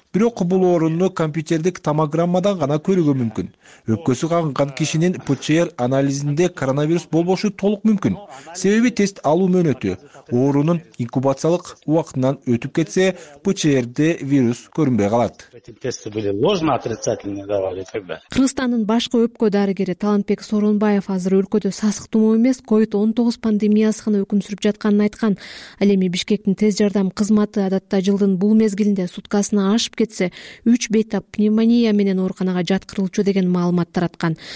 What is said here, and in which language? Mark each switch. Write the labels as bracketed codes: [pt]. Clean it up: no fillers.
[ky] Бирок бул ооруну компьютердик томограммадан гана көрүүгө мүмкүн. Өпкөсү кагынган кишинин ПЧР анализинде коронавирус болбошу толук мүмкүн. Себеби тест алуу мөөнөтү оорунун инкубациялык убактынан өтүп кетсе, ПЧРде вирус көрүнбөй калат. [ru] Тесты были ложно отрицательные давали тогда. [ky] Кыргызстандын башкы өпкө дарыгери Талантбек Сооронбаев азыр өлкөдө сасык тумоо эмес COVID-19 пандемиясы гана өкүм сүрүп жатканын айткан. Ал эми Бишкектин тез жардам кызматы адатта жылдын бул мезгилинде суткасына аш кетсе 3 бейтап пневмония менен ооруканага жаткырылчу деген маалымат тараткан.